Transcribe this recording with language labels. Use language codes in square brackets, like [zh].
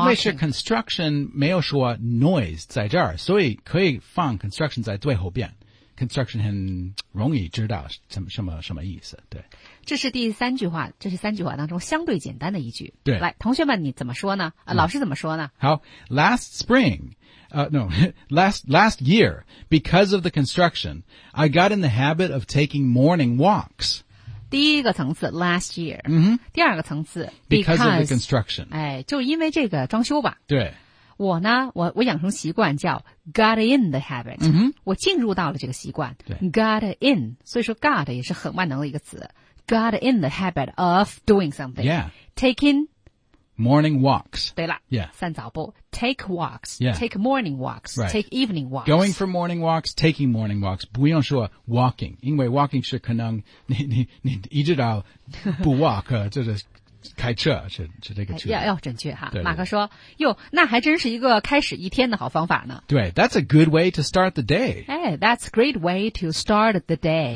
[zh] 因为是 construction 没有说 noise 在这儿，所以可以放 construction 在最后边。 Construction 很容易知道什么意思，对。这是第三句话，这是三句话当中相对简单的一句。对。来，同学们你怎么说呢、老师怎么说呢？ [en] 好， last spring, last year, because of the construction, I got in the habit of taking morning walks. [zh] 第一个层次 last year,、 mm-hmm. 第二个层次 [en] because of the construction. [zh] 哎，就因为这个装修吧。对。我呢，我养成习惯叫 [en] got in the habit、 mm-hmm. [zh] 我进入到了这个习惯，对， got in, 所以说 got 也是很万能的一个词， [en] got in the habit of doing something、 yeah. taking morning walks, [zh] 对了、 [en] yeah. [zh] 散早步 [en] take walks、 yeah. take morning walks、 right. take evening walks, going for morning walks, [zh] taking morning walks, 不用说 walking, 因为 walking 是可能你一直到不 walk 就是开车是这个车。要准确哈。对对对，马克说哟，那还真是一个开始一天的好方法呢。 [en] 对， that's a good way to start the day. Hey, that's a great way to start the day.、